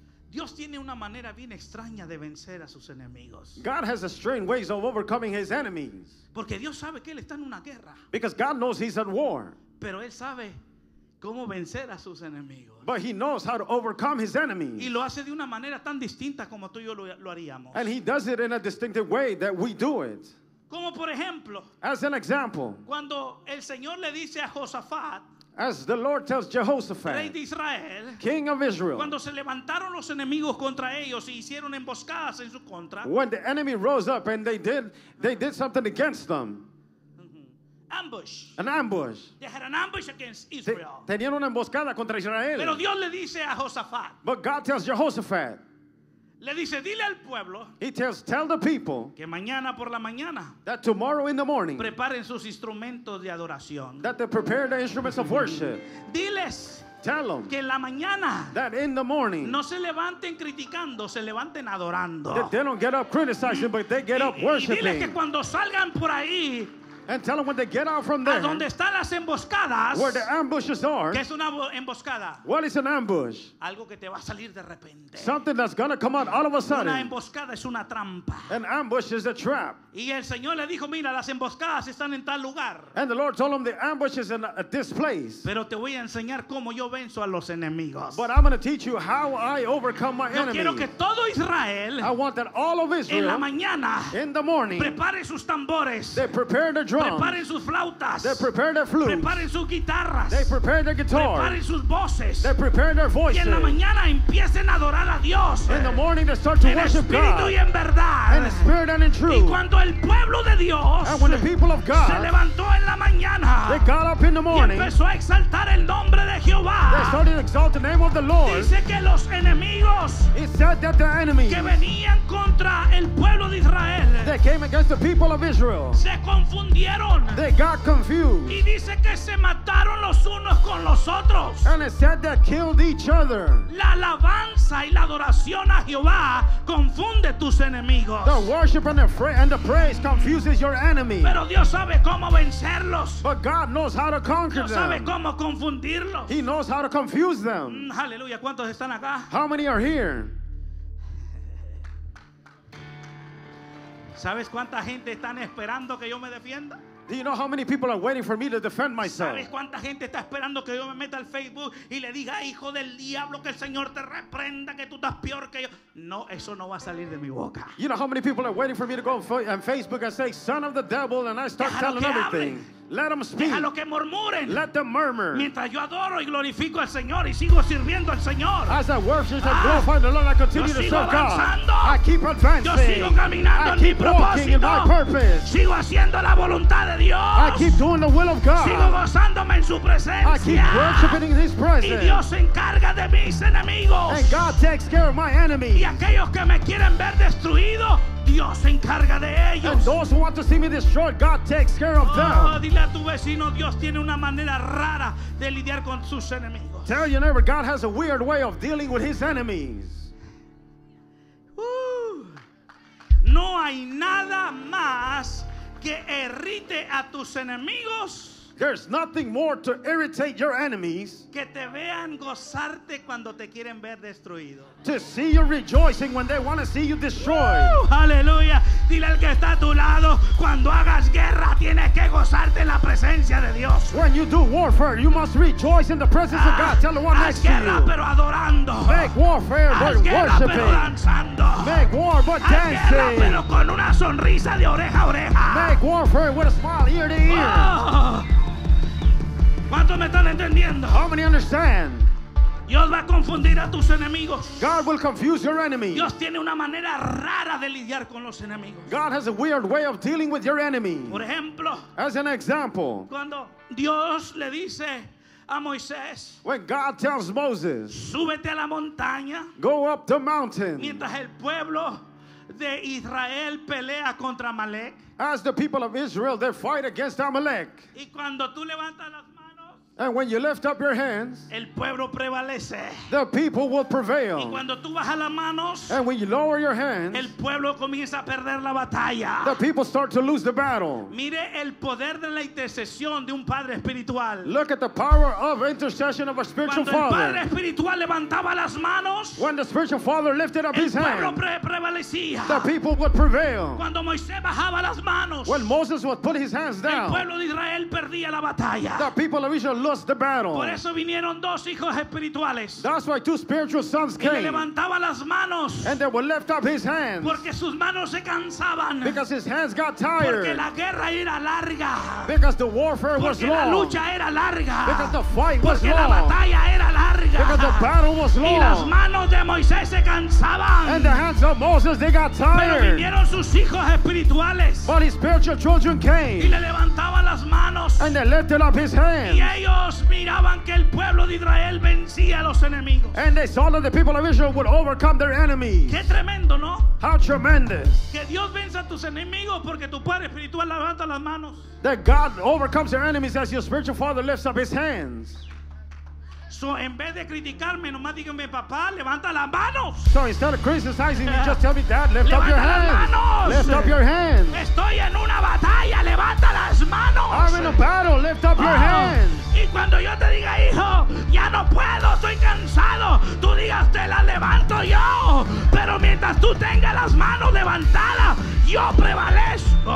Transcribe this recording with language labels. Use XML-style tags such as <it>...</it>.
<es>Dios tiene una manera bien extraña de vencer a sus enemigos.</es> <en>God has a strange ways of overcoming his enemies.</en> <es>Porque Dios sabe que él está en una guerra.</es> <en>Because God knows he's at war.</en> <es>Pero él sabe cómo vencer a sus enemigos.</es> <en>But he knows how to overcome his enemies.</en> <es>Y lo hace de una manera tan distinta como tú y yo lo haríamos.</es> <en>And he does it in a distinctive way that we do it.</en> <es>Como por ejemplo.</es> <en>As an example.</en> <es>Cuando el Señor le dice a Josafat.</es> <en>As the Lord tells Jehoshaphat,</en> <es>Rey de Israel,</es> <en>King of Israel,</en> <es>cuando se levantaron los enemigos contra ellos y hicieron emboscadas en su contra,</es> <en>when the enemy rose up and they did something against them, ambush. An ambush. They had an ambush against Israel.</en> <es>Tenían una emboscada contra Israel. Pero Dios le dice a Josafat.</es> <en>But God tells Jehoshaphat.</en> <es>Le dice, dile al pueblo.</es> <en>He tells, tell the people.</en> <es>Que mañana por la mañana.</es> <en>That tomorrow in the morning.</en> <es>Preparen sus instrumentos de adoración.</es> <en>That they prepare the instruments of worship.</en> <es>Diles.</es> <en>Tell them.</en> <es>Que en la mañana.</es> <en>That in the morning.</en> <es>No se levanten criticando, se levanten adorando.</es> <en>That they don't get up criticizing, but they get up worshiping.</en> <es>Y diles que cuando salgan por ahí.</es> <en>And tell them when they get out from there.</en> <es>A donde están las emboscadas.</es> <en>Where the ambushes are.</en> <es>¿Qué es una emboscada?</es> <en>What is an ambush?</en> <es>Algo que te va a salir de repente.</es> <en>Something that's going to come out all of a sudden.</en> <es>Una emboscada es una trampa.</es> <en>An ambush is a trap.</en> <es>Y el Señor le dijo, mira, las emboscadas están en tal lugar.</es> <en>And the Lord told him the ambush is in this place.</en> <es>Pero te voy a enseñar cómo yo venzo a los enemigos.</es> <en>But I'm going to teach you how I overcome my enemies.</en> <es>Yo quiero que todo Israel.</es> <en>I want that all of Israel.</en> <es>En la mañana.</es> <en>In the morning.</en> <es>Prepare sus tambores.</es> <en>They prepare the drums.</en> <es>Preparen sus flautas.</es> <en>They prepare their flutes.</en> <es>Preparen sus guitarras.</es> <en>They prepare their guitars.</en> <es>Preparen sus voces.</es> <en>They prepare their voices.</en> <es>Que en la mañana empiecen a adorar a Dios.</es> <en>In the morning they start to worship God.</en> <es>En espíritu y en verdad.</es> <en>In spirit and in truth.</en> <es>Y cuando el pueblo de Dios.</es> <en>And when the people of God.</en> <es>Se levantó en la mañana.</es> <en>They got up in the morning.</en> <es>Y empezó a exaltar el nombre de Jehová.</es> <en>They started to exalt the name of the Lord.</en> <es>Dice que los enemigos.</es> <en>It said that the enemies.</en> <es>Que venían contra el pueblo de Israel.</es> <en>They came against the people of Israel.</en> <es>Se confundieron.</es> <en>They got confused.</en> <es>Y dice que se mataron los unos con los otros.</es> <en>And it said they killed each other.</en> <es>La alabanza y la adoración a Jehová confunde tus enemigos.</es> <en>The worship and the praise confuses your enemy.</en> <es>Pero Dios sabe cómo vencerlos.</es> <en>But God knows how to conquer</en> <es>Dios</es> <en>them.</en> <es>Sabe cómo confundirlos.</es> <en>He knows how to confuse them.</en> <es>Aleluya, ¿cuántos están acá?</es> <en>How many are here?</en> <es>¿Sabes cuánta gente están esperando que yo me defienda?</es> <en>Do you know how many people are waiting for me to defend myself?</en> <es>¿Sabes cuánta gente está esperando que yo me meta al Facebook y le diga, hijo del diablo, que el Señor te reprenda, que tú estás peor que yo? No, eso no va a salir de mi boca.</es> <en>You know how many people are waiting for me to go on Facebook and say, son of the devil, and I start telling everything. Let them speak.</en> <es>Déjalo que murmuren.</es> <en>Let them murmur.</en> <es>Mientras yo adoro y glorifico al Señor y sigo sirviendo al Señor.</es> <en>As I worship and glorify the Lord, I continue to serve</en> <es>avanzando.</es> <en>God. I keep advancing.</en> <es>Yo sigo caminando</es> <en>I</en> <es>en</es> <en>keep</en> <es>mi</es> <en>walking In my purpose.</en> <es>Sigo haciendo la voluntad de Dios.</es> <en>I keep doing the will of God.</en> <es>Sigo gozándome en su presencia.</es> <en>I keep worshiping in his presence.</en> <es>Y Dios se encarga de mis enemigos.</es> <en>And God takes care of my enemies.</en> <es>Y aquellos que me quieren ver destruido, Dios se encarga de ellos.</es> <en>And those who want to see me destroyed, God takes care of them.</en> <es>Dile a tu vecino, Dios tiene una manera rara de lidiar con sus enemigos.</es> <en>Tell your neighbor, God has a weird way of dealing with his enemies.</en> <es>No hay nada más que irrite a tus enemigos.</es> <en>There's nothing more to irritate your enemies.</en> <es>Que te vean gozarte cuando te quieren ver destruido.</es> <en>To see you rejoicing when they want to see you destroyed. Woo, hallelujah.</en> <es>Dile al que está a tu lado, cuando hagas guerra, tienes que gozarte en la presencia de Dios.</es> <en>When you do warfare, you must rejoice in the presence of God. Tell the one next</en> <es>guerra,</es> <en>to you.</en> <es>Pero adorando.</es> <en>Make warfare</en> <es>haz</es> <en>but</en> <es>guerra,</es> <en>worshiping.</en> <es>Pero danzando.</es> <en>Make war but</en> <es>haz</es> <en>dancing.</en> <es>Guerra, pero con una sonrisa de oreja a oreja.</es> <en>Make warfare with a smile ear to ear.</en> <es>¿Cuántos me están entendiendo?</es> <en>How many understand?</en> <es>Dios va a confundir a tus enemigos.</es> <en>God will confuse your enemies.</en> <es>Dios tiene una manera rara de lidiar con los enemigos.</es> <en>God has a weird way of dealing with your enemy.</en> <es>Por ejemplo,</es> <en>as an example,</en> <es>cuando Dios le dice a Moisés,</es> <en>when God tells Moses,</en> <es>súbete a la montaña,</es> <en>go up the mountain,</en> <es>mientras el pueblo de Israel pelea contra Amalek,</es> <en>as the people of Israel they fight against Amalek,</en> <es>y cuando tú levantas las</es> <en>and when you lift up your hands,</en> <es>el pueblo prevalece.</es> <en>The people will prevail.</en> <es>Y cuando tú bajas las manos,</es> <en>and when you lower your hands,</en> <es>el pueblo comienza a perder la batalla.</es> <en>The people start to lose the battle.</en> <es>Mire el poder de la intercesión de un padre espiritual.</es> <en>Look at the power of intercession of a spiritual father.</en> <es>Cuando el padre espiritual levantaba las manos,</es> <en>when the spiritual father lifted up his hands,</en> <es>el pueblo prevalecía.</es> <en>The people would prevail.</en> <es>Cuando Moisés bajaba las manos,</es> <en>when Moses would put his hands down,</en> <es>el pueblo de Israel perdía la batalla.</es> <en>The people of Israel lost the battle.</en> <es>Por eso vinieron dos hijos espirituales.</es> <en>That's why two spiritual sons</en> <es>y</es> <en>came.</en> <es>Le levantaba las manos.</es> <en>And they would lift up his hands.</en> <es>Porque sus manos se cansaban.</es> <en>Because his hands got tired.</en> <es>Porque la guerra era larga.</es> <en>Because the warfare</en> <es>porque</es> <en>was long.</en> <es>La lucha era larga.</es> <en>Because the fight</en> <es>porque</es> <en>was long.</en> <es>La batalla era larga.</es> <en>Because the battle was long.</en> <es>Y las manos de Moisés se cansaban.</es> <en>And the hands of Moses they got tired.</en> <es>Pero vinieron sus hijos espirituales.</es> <en>But his spiritual children came.</en> <es>Y le levantaba las manos.</es> <en>And they lifted up his hands.</en> <es>Y ellos miraban que el pueblo de Israel vencía a los enemigos.</es> <en>And they saw that the people of Israel would overcome their enemies.</en> <es>Qué tremendo, ¿no?</es> <en>How tremendous.</en> <es>Que Dios venza a tus enemigos porque tu padre espiritual levanta las manos.</es> <en>That God overcomes your enemies as your spiritual father lifts up his hands.</en> <es>So en vez de criticarme, nomás dígame, papá, levanta las manos.</es> <en>So instead of criticizing me, just tell me, dad, lift</en> <es>levanta</es> <en>up your hands.</en> <es>Las manos.</es> <en>Lift up your hands.</en> <es>Estoy en una batalla, levanta las manos.</es> <en>I'm in a battle, lift up your hands.</en> <es>Y cuando yo te diga, hijo, ya no puedo, estoy cansado, tú digas, te la levanto yo. Pero mientras tú tengas las manos levantadas, yo prevalezco.</es>